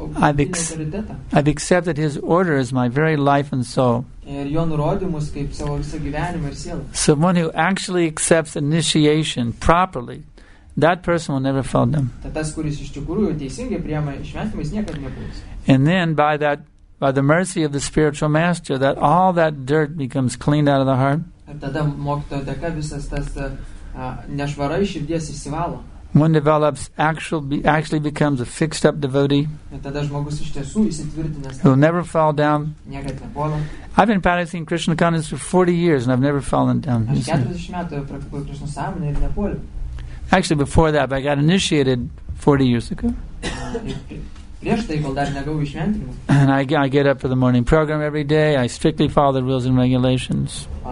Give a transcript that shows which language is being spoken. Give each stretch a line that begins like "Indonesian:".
English: I've accepted his order as my very life and soul.
Lithuanian: Ir jo nurodymus kaip savo visą gyvenimą ir sielą.
English: So one who actually accepts initiation properly, that person will never fall down.
Lithuanian: Tas, kuris iš tikrųjų teisingai priema šventimą, jis niekad nebus.
English: And then by the mercy of the spiritual master, that all that dirt becomes cleaned out of the heart.
Lithuanian: Tada mokyto dėka visas tas nešvara iš širdies išsivalo.
English: One develops actually becomes a fixed up devotee.
Lithuanian: Tada žmogus iš tiesų įsitvirtinęs.
English: Who will never fall down.
Lithuanian: Niekad nepuola.
English: I've been practicing Krishna consciousness for 40 years and I've never fallen down.
Lithuanian: Aš 40 metų praktikuoju Krishna sąmonę ir nepuoliu.
English: Actually, before that, but I got initiated 40 years ago. And I get up for the morning program every day. I strictly follow the rules and regulations.